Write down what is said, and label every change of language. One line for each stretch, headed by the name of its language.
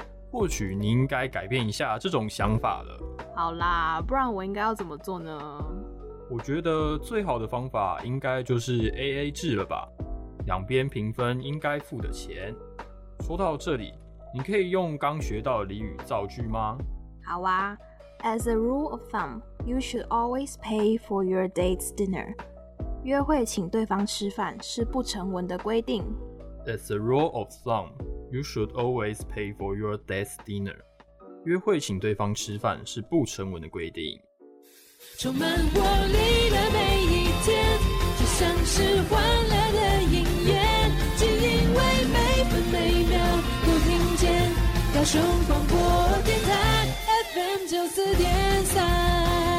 Chinese: 或许你应该改变一下这种想法了。好啦，不然我应该要怎么做呢？我觉得最好的方法应该就是 AA 制了吧，两边平分应该付的钱。说到这里，你可以用刚学到的俚语造句吗？好啊。
English: As a rule of thumb, you should always pay for your date's dinner.
Chinese: 约会请对方吃饭是不成文的规定。
English: As a rule of thumb, you should always pay for your date's dinner.
Chinese: 约会请对方吃饭是不成文的规定。充满活力的每一天，就像是欢乐的音乐，只因为每分每秒都听见高雄广播电台 FM94.3。